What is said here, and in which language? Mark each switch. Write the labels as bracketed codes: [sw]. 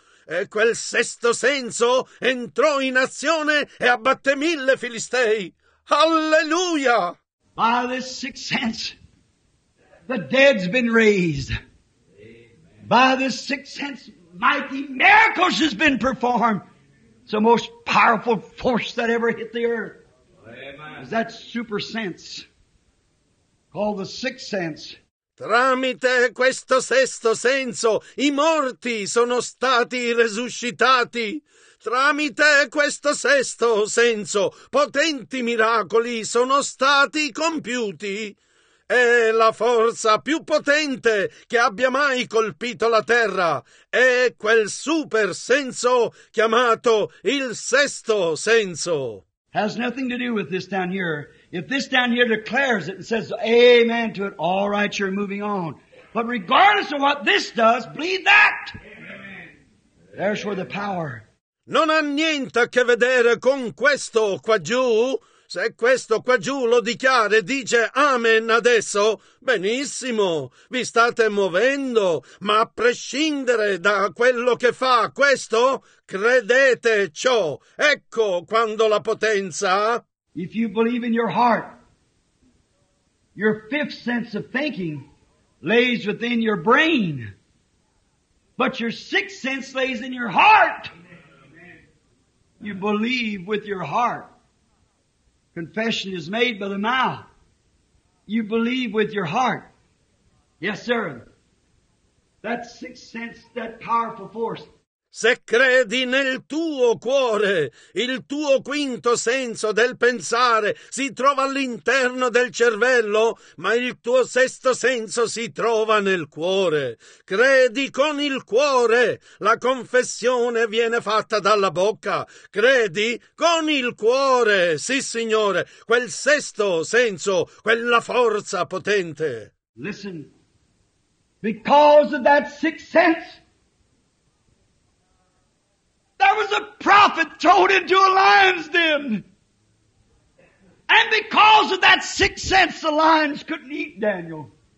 [it] E quel sesto senso entrò in azione e abbatté 1000 Filistei. Alleluia! [en] By this sixth sense, the dead's been raised. Amen. By this sixth sense, mighty miracles has been performed. It's the most powerful force that ever hit the earth. Amen. Is that super sense called the sixth sense? [it] Tramite questo sesto senso i morti sono stati resuscitati. Tramite questo sesto senso potenti miracoli sono stati compiuti. È la forza più potente che abbia mai colpito la terra. È quel super senso chiamato il sesto senso. [en] Has nothing to do with this down here. If this down here declares it and says amen to it, all right, you're moving on. But regardless of what this does, believe that. Amen. There's where the power. [it] Non ha niente a che vedere con questo qua giù. Se questo qua giù lo dichiara e dice amen adesso, benissimo, vi state muovendo, ma a prescindere da quello che fa questo, credete ciò. Ecco quando la potenza... [en] If you believe in your heart, your fifth sense of thinking lays within your brain, but your sixth sense lays in your heart. You believe with your heart. Confession is made by the mouth. You believe with your heart. Yes, sir. That sixth sense, that powerful force. [it] Se credi nel tuo cuore, il tuo quinto senso del pensare si trova all'interno del cervello, ma il tuo sesto senso si trova nel cuore. Credi con il cuore, la confessione viene fatta dalla bocca. Credi con il cuore, sì signore, quel sesto senso, quella forza potente. [en] Listen, because of that sixth sense, there was a prophet thrown into a lion's den. And because of that sixth sense, the lions couldn't eat Daniel.